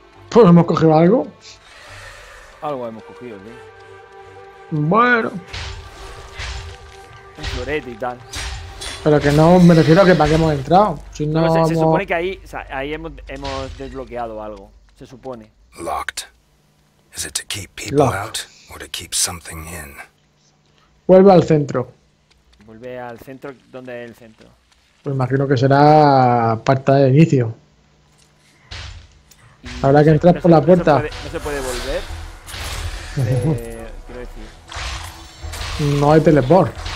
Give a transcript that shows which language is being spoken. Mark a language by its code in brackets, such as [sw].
[es] Pues hemos cogido algo. Algo hemos cogido, sí. Bueno. Un florete y tal. Pero que no, me refiero a que para qué hemos entrado. Si no, no se, hemos... se supone que ahí, o sea, ahí hemos desbloqueado algo. Se supone. [en] Locked. Is it to keep people locked out or to keep something in? [es] Vuelve al centro. Vuelve al centro. ¿Dónde es el centro? Pues imagino que será puerta de inicio. Y habrá que entrar por la puerta. No se puede volver. quiero decir. No hay teleport.